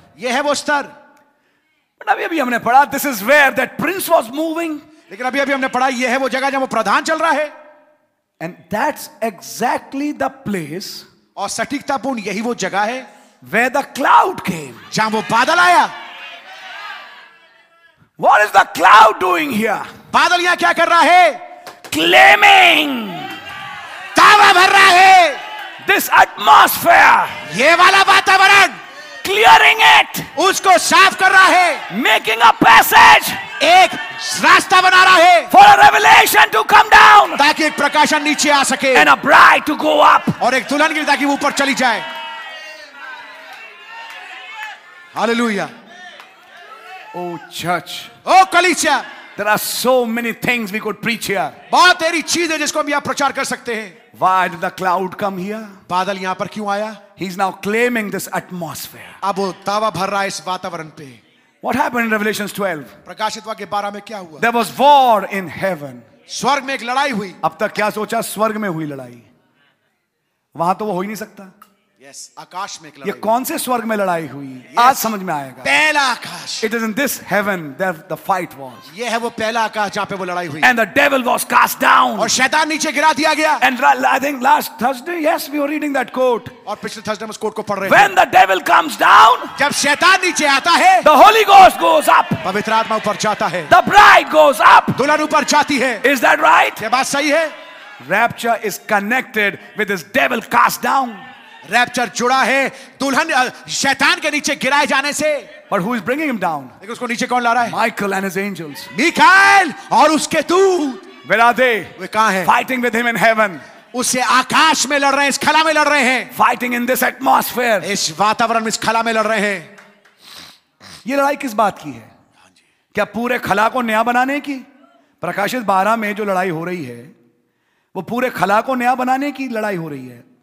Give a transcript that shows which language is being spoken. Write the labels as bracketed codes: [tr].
[hi] ये है वो स्तर. अभी अभी हमने पढ़ा [en] This is where that prince was moving. [hi] लेकिन अभी अभी हमने पढ़ा ये है वो जगह जहां वो प्रधान चल रहा है. [en] And that's exactly the place. [hi] और सटीकतापूर्ण यही वो जगह है. [en] Where the cloud came. [hi] जहां वो बादल आया. [en] What is the cloud doing here? [hi] बादल यहां क्या कर रहा है? [en] Claiming. [hi] दावा भर रहा है. [en] This atmosphere. [hi] ये वाला वातावरण. [en] Clearing it. [hi] उसको साफ कर रहा है. [en] Making a passage. [hi] एक रास्ता बना रहा है. [en] For a revelation to come down. [hi] ताकि एक प्रकाशन नीचे आ सके. [en] And a bride to go up. [hi] और एक दुल्हन की ताकि वो ऊपर चली जाए. [en] Hallelujah. Oh church, oh Kalicha, there are so many things we could preach here. [hi] बहुत तेरी चीज़ है जिसको हम यहाँ प्रचार कर सकते हैं. [en] Why did the cloud come here? [hi] बादल यहाँ पर क्यों आया? [en] He's now claiming this atmosphere. [hi] अब वो दावा भर रहा है इस वातावरण पे. [en] What happened in Revelations 12? [hi] प्रकाशित वाक्य 12 में क्या हुआ? [en] There was war in heaven. [hi] स्वर्ग में एक लड़ाई हुई. अब तक क्या सोचा? स्वर्ग में हुई लड़ाई. वहां तो वो हो ही नहीं सकता. Yes, आकाश में ये कौन से स्वर्ग में लड़ाई हुई? Yes, आज समझ में आएगा. पहला आकाश. [en] It is in this heaven that the fight was. [hi] ये है वो पहला आकाश जहाँ पे वो लड़ाई हुई. [en] And the devil was cast down. [hi] और शैतान नीचे गिरा दिया गया. [en] And I think last Thursday, yes, we were reading that quote. [hi] और पिछले थर्सडे हम उस कोट को पढ़ रहे थे. [en] When the devil comes down, [hi] जब शैतान नीचे आता है, [en] the Holy Ghost goes up. [hi] पवित्र आत्मा ऊपर जाता है. [en] The bride goes up. [hi] दुल्हन ऊपर जाती है. [en] Is that right? [hi] ये बात सही है. [en] Rapture is connected with this devil cast down. [hi] Rapture जुड़ा है दुल्हन शैतान के नीचे गिराए जाने से. [en] But who is bringing him down? [hi] देखो उसको नीचे कौन ला रहा है? [en] Michael and his angels. [hi] मीकाएल और उसके दूत. [en] Where are they? [hi] वे कहाँ हैं? [en] Fighting with him in heaven. [hi] उसे आकाश में लड़ रहे हैं, इस खला में लड़ रहे हैं. [en] Fighting in this atmosphere. [hi] इस वातावरण में, इस खला में लड़ रहे हैं. ये लड़ाई किस बात की है? क्या पूरे खला को नया बनाने की? प्रकाशित 12 में जो लड़ाई हो रही है वो पूरे खला को नया बनाने की लड़ाई हो रही है?